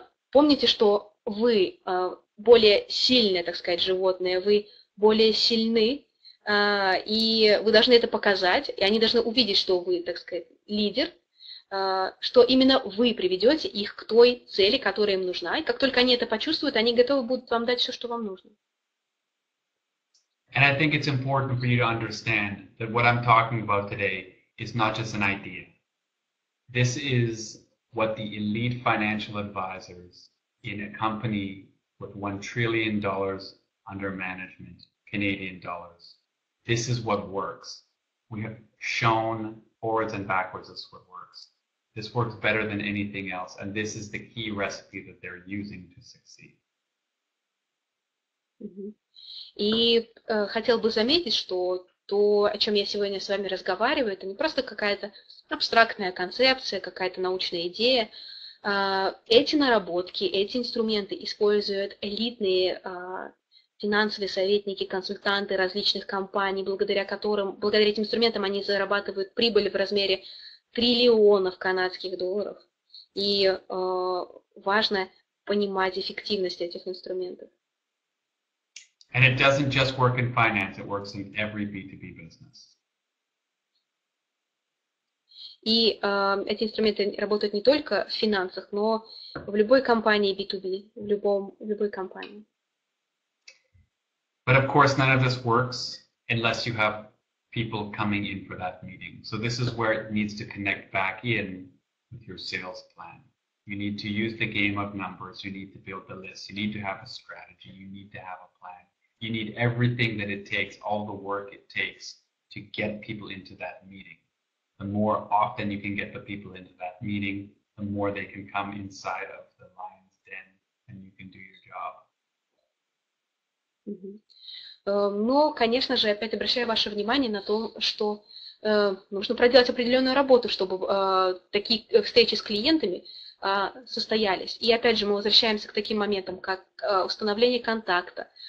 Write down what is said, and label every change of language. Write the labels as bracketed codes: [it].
[ru] Помните, что вы более сильные, так сказать, животные, вы более сильны, и вы должны это показать, и они должны увидеть, что вы, так сказать, лидер, что именно вы приведете их к той цели, которая им нужна. И как только они это почувствуют, они готовы будут вам дать все, что вам нужно. [en] And I think it's important for you to understand that what I'm talking about today is not just an idea. This is what the elite financial advisors in a company with $1 trillion under management, Canadian dollars. This is what works. We have shown forwards and backwards this is what works. This works better than anything else. And this is the key recipe that they're using to succeed. [ru] И хотел бы заметить, что то, о чем я сегодня с вами разговариваю, это не просто какая-то абстрактная концепция, какая-то научная идея. Эти наработки, эти инструменты используют элитные финансовые советники, консультанты различных компаний, благодаря которым, благодаря этим инструментам они зарабатывают прибыль в размере триллионов канадских долларов. И важно понимать эффективность этих инструментов. [en] And it doesn't just work in finance, it works in every B2B business. [ru] И эти инструменты работают не только в финансах, но в любой компании B2B, в любой компании. [en] But of course, none of this works unless you have people coming in for that meeting. So this is where it needs to connect back in with your sales plan. You need to use the game of numbers, you need to build the list, you need to have a strategy, you need to have a plan. You need everything that it takes, all the work it takes to get people into that meeting. The more often you can get the people into that meeting, the more they can come inside of the lion's den and you can do your job. [ru] Но, конечно же, опять обращаю ваше внимание на то, что нужно проделать определенную работу, чтобы такие встречи с клиентами состоялись. И опять же, мы возвращаемся к таким моментам, как установление контакта.